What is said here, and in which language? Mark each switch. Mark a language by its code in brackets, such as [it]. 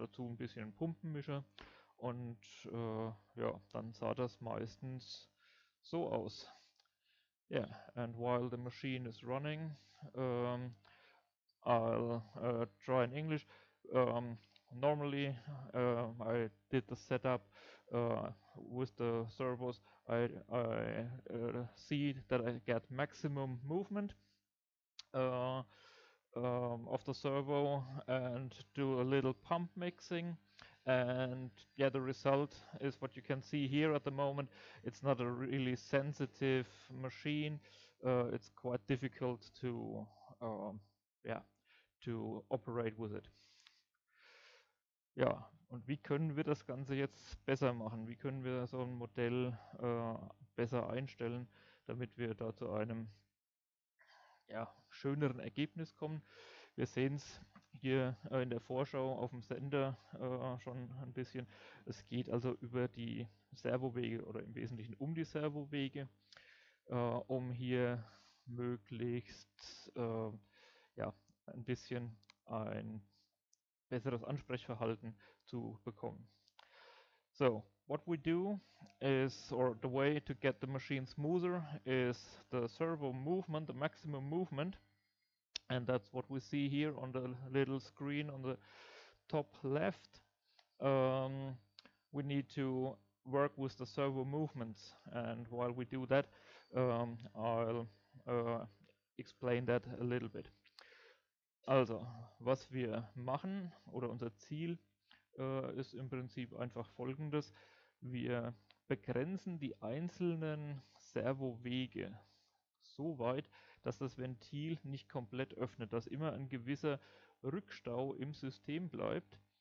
[de] Dazu ein bisschen Pumpenmischer und dann sah das meistens so aus. [en] Yeah, and while the machine is running, I'll try in English. Normally, I did the setup with the servos. I see that I get maximum movement of the servo and do a little pump mixing. And yeah, the result is what you can see here at the moment. It's not a really sensitive machine. It's quite difficult to to operate with it. [de] Ja, und wie können wir das Ganze jetzt besser machen? Wie können wir so ein Modell besser einstellen, damit wir da zu einem schöneren Ergebnis kommen? Wir sehen es hier in der Vorschau auf dem Sender schon ein bisschen. Es geht also über die Servowege oder im Wesentlichen um die Servowege, um hier möglichst ein bisschen ein besseres Ansprechverhalten zu bekommen. [en] So, what we do is, or the way to get the machine smoother is the servo movement, the maximum movement. And that's what we see here on the little screen on the top left. We need to work with the servo movements. And while we do that, I'll explain that a little bit. [de] Also, was wir machen oder unser Ziel ist im Prinzip einfach folgendes. Wir begrenzen die einzelnen Servowege so weit, dass das Ventil nicht komplett öffnet, dass immer ein gewisser Rückstau im System bleibt.